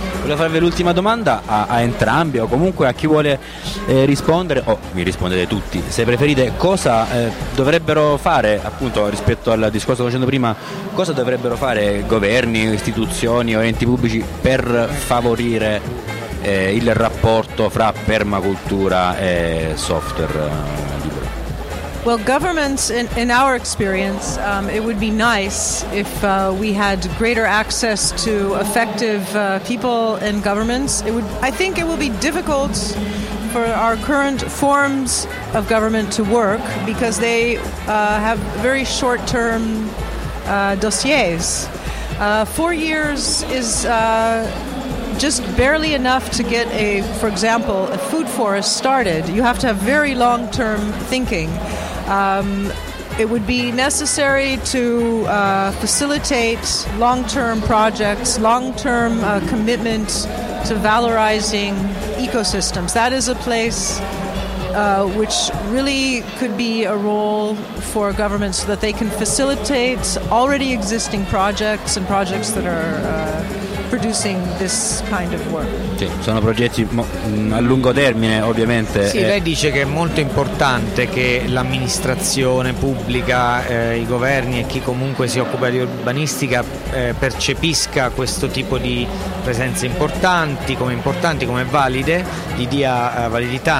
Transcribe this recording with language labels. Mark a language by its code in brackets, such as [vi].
[it] Volevo farvi l'ultima domanda a entrambi, o comunque a chi vuole rispondere, o mi rispondete tutti se preferite. Cosa dovrebbero fare, appunto, rispetto al discorso che sto facendo prima, cosa dovrebbero fare governi, istituzioni o enti pubblici per favorire il rapporto fra permacultura e software? [en] Well, governments, in our experience, it would be nice if we had greater access to effective people and governments. I think it will be difficult for our current forms of government to work because they have very short-term dossiers. 4 years is just barely enough to get for example, a food forest started. You have to have very long-term thinking. It would be necessary to facilitate long-term projects, long-term commitment to valorizing ecosystems. That is a place which really could be a role for governments, so that they can facilitate already existing projects and projects that are producing this kind of work. [it] Sì, sono progetti a lungo termine, ovviamente. Sì, lei dice che è molto importante che l'amministrazione pubblica, i governi e chi comunque si occupa di urbanistica percepisca questo tipo di presenze importanti, come valide, gli dia validità.